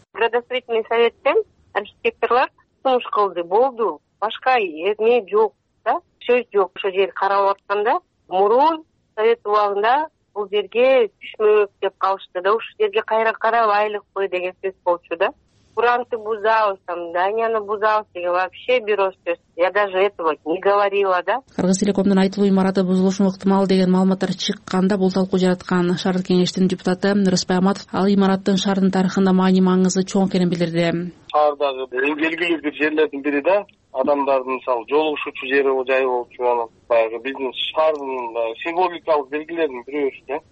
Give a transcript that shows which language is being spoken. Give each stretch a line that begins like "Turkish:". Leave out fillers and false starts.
Kyrgyz: Градостроительный советтен архитекторлор сунуш кылды, болду, башка эмне жок да, сөз жок. Ошо жер каралып атканда мурун совет убагында бул жерге түшмөк деп калышты да, ушул жерге кайра карап айлык кой деген сөз болчу да. Куранты бузабыз, там зданияны бузабыз деген вообще бир оз сөз.
Russian: Я даже этого не говорила, да.
Kyrgyz: Кыргыз Телекомдун айтылуу имараты бузулушу ыктымал деген маалыматтар чыкканда бул талкуу жараткан шаардык кеңештин депутаты Рыспай Аматов ал имараттын шаардын тарыхында маани маңызы чоң экенин билдирди. Шаардагы эң белгилүү бир жерлердин бири да, адамдардын мисалы жолугушуучу жери жай болчу, анан баягы биздин шаардын символикалык белгилердин бирөөсү да.